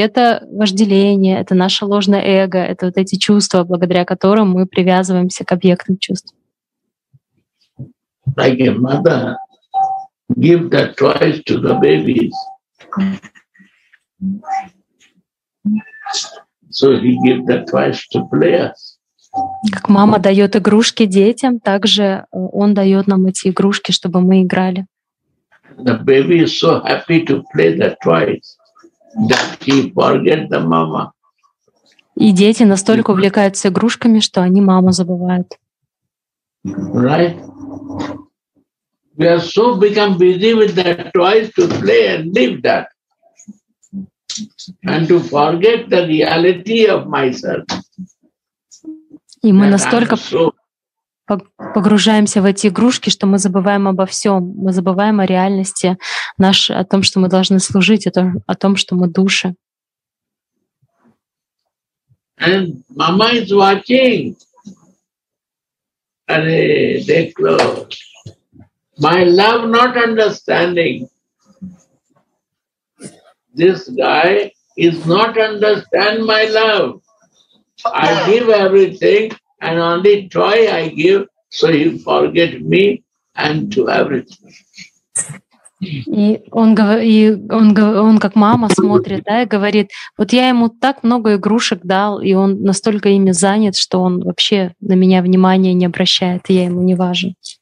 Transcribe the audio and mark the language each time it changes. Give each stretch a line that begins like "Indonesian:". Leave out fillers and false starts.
Russian: Это вожделение, это наше ложное эго, это вот эти чувства, благодаря которым мы привязываемся к объектным чувствам.
English: Like a mother, give that toys to the babies. So he give that toys to players.
Russian: Как мама дает игрушки детям, так же он дает нам эти игрушки, чтобы мы играли.
English: The baby is so happy to play the toys that he forget the mama.
Russian: И дети настолько увлекаются игрушками, что они маму забывают.
English: Right? We are so become busy with the toys to play and live that and to forget the reality of myself.
Russian: И мы настолько погружаемся в эти игрушки, что мы забываем обо всем. Мы забываем о реальности, о том, что мы должны служить, о том, что мы души.
English: And mama is watching. And they close. My love not understanding. This guy is not understand my love. I give everything. And only toy I give, so you forget me and to everything.
Russian: И он как мама смотрит, да, и говорит, вот я ему так много игрушек дал, и он настолько ими занят, что он вообще на меня внимания не обращает, и я ему не важен.